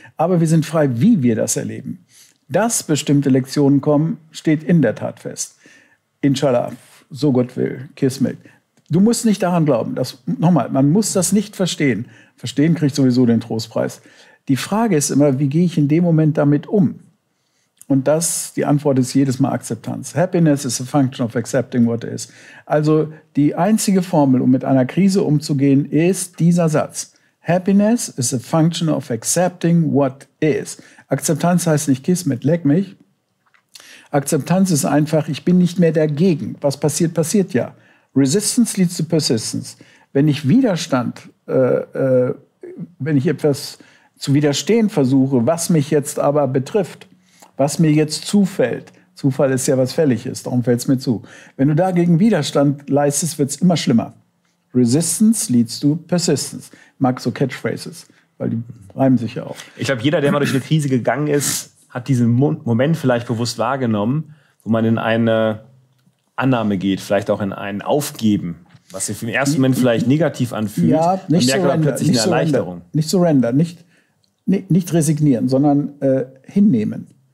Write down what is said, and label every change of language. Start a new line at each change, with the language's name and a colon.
German: Aber wir sind frei, wie wir das erleben. Dass bestimmte Lektionen kommen, steht in der Tat fest. Inshallah, so Gott will, Kismet. Du musst nicht daran glauben. Nochmal, man muss das nicht verstehen. Verstehen kriegt sowieso den Trostpreis. Die Frage ist immer, wie gehe ich in dem Moment damit um? Und das, die Antwort ist jedes Mal Akzeptanz.
English: Happiness is a function of accepting what is.
German: Also die einzige Formel, um mit einer Krise umzugehen, ist dieser Satz.
English: Happiness is a function of accepting what is.
German: Akzeptanz heißt nicht Kismet, leck mich. Akzeptanz ist einfach, ich bin nicht mehr dagegen. Was passiert, passiert ja.
English: Resistance leads to persistence.
German: Wenn ich Widerstand, wenn ich etwas zu widerstehen versuche, was mich jetzt aber betrifft, was mir jetzt zufällt, Zufall ist ja was Fälliges, darum fällt es mir zu. Wenn du dagegen Widerstand leistest, wird es immer schlimmer.
English: Resistance leads to persistence.
German: Ich mag so Catchphrases, weil die reimen sich ja auch. Ich glaube, jeder, der mal durch eine Krise gegangen ist, hat diesen Moment vielleicht bewusst wahrgenommen, wo man in eine Annahme geht, vielleicht auch in ein Aufgeben, was sich im ersten Moment vielleicht negativ anfühlt. Ja, nicht merkt surrender, plötzlich nicht eine Erleichterung. Surrender, nicht surrender, nicht resignieren, sondern hinnehmen.